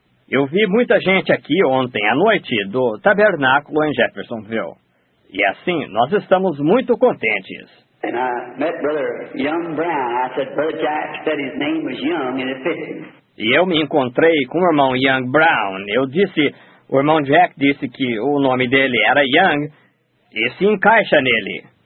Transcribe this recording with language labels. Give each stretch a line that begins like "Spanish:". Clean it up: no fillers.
Portuguese: Eu vi muita gente aqui ontem à noite do Tabernáculo em Jeffersonville. E assim, nós estamos muito contentes.
English: And I met Brother Young Brown. I said, Brother Jack said his name was Young and it fit him.
Portuguese: E eu me encontrei com o irmão Young Brown. Eu disse... O irmão Jack disse que o nome dele era Young, e se encaixa nele.